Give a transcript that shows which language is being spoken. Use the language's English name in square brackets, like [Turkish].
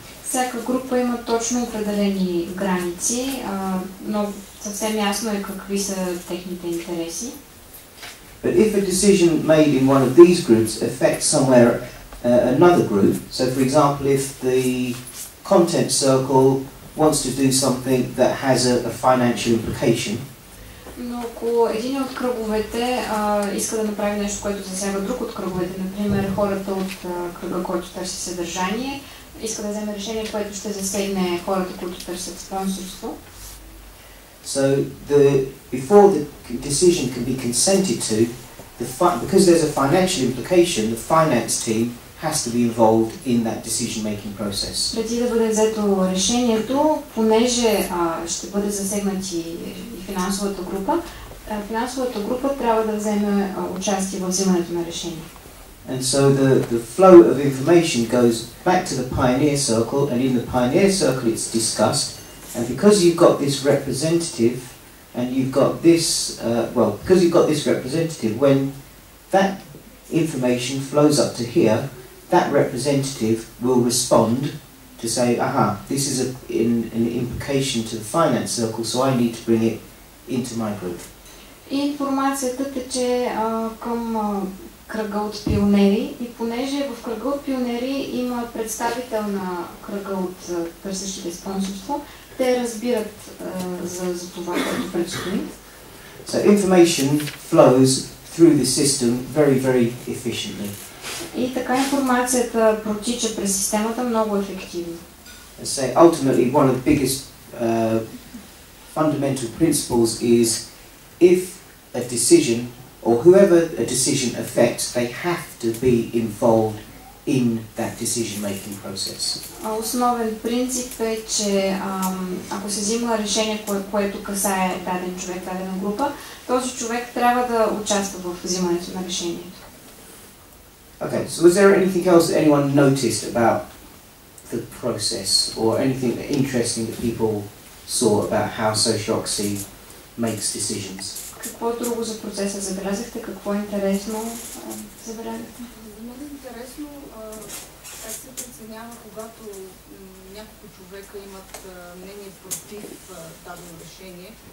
[Bulgarian] Всяка група има точно определени граници, но съвсем ясно е какви са техните интереси. [English] But if a decision made in one of these groups affects somewhere another group, so for example, if the content circle wants to do something that has a financial implication, [Bulgarian] Но ако един от кръговете иска да направи нещо, което засяга друг от кръговете, например хората от кръга, който търси съдържание, иска да вземе решение, което ще засегне хората, които търсят спонсорство. [English] So the before the decision can be consented to, the because there's a financial implication, the finance team has to be involved in that decision-making process. [Bulgarian] Преди да бъде взето решението, понеже ще бъде засегнати и финансовата група, финансовата група трябва да вземе участие в вземането на решение. [English] And so the flow of information goes back to the pioneer circle, and in the pioneer circle it's discussed. And because you've got this representative, and you've got this, because you've got this representative, when that information flows up to here, that representative will respond to say, aha, this is an implication to the finance circle, so I need to bring it into my group. [Bulgarian] Информацията тече към кръга от пионери, и понеже в кръга от пионери има представител на кръга от търсещите спонсорство, те разбират за това, което предстои. [English] So information flows through the system very, very efficiently. [Bulgarian] И така информацията протича през системата много ефективно. [English] I say ultimately one of the biggest fundamental principles is if a decision or whoever a decision affects, they have to be involved in that decision-making process. [Bulgarian] Основен принцип е, че ако се взима решение, което касае даден човек, дадена група, този човек трябва да участва в взимането на решението. [English] Okay, so was there anything else that anyone noticed about the process or anything interesting that people saw about how Socioxy makes decisions? [Bulgarian] Какво друго за процеса забелязахте? Какво интересно забелязахте? Много интересно как се преценява, когато няколко човека имат мнение против дадено решение.